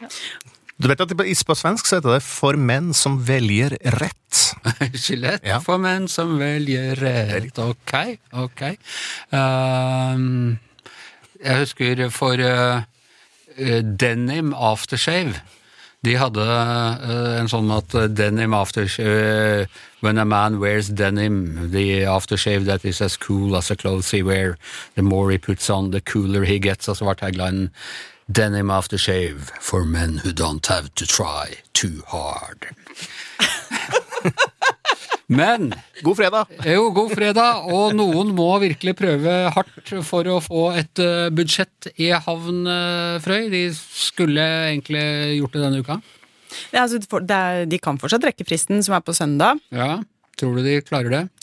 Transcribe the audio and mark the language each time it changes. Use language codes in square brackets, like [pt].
[no] Ja. Du vet at på svensk så heter det for menn som velger rett. Gillette ja. For menn som velger rett. Ok, ok. Jeg husker for denim aftershave. De hadde en sånn at denim aftershave, [en] when a man wears denim, the aftershave that is as cool as the clothes he wears, the more he puts on, the cooler he gets, [no] altså var taglinen, [en] denim aftershave for men who don't have to try too hard. [no] Men, god fredag. Jo, god fredag, og noen må virkelig prøve hardt for å få et budsjett I havn, Frøy. De skulle egentlig gjort det denne uka. Ja, altså, de kan fortsatt rekke fristen som på søndag. Ja, tror du de klarer det?